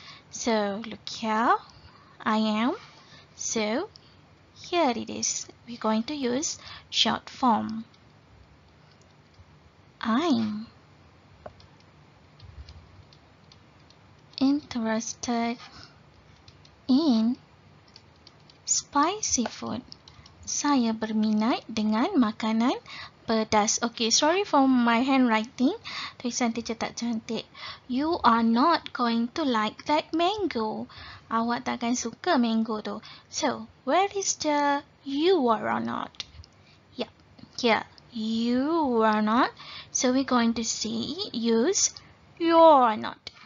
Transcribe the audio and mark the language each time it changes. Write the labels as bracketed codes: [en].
[en] So, look here. I am. So, here it is. We're going to use short form. I'm interested in spicy food. [ms] Saya berminat dengan makanan pedas. [en] Okay, sorry for my handwriting. [ms] Tulisan teacher tak cantik. [en] You are not going to like that mango. [ms] Awak takkan suka mango tu. [en] So, where is the you are or not? Yep, here. You are not. So, we're going to use you're not.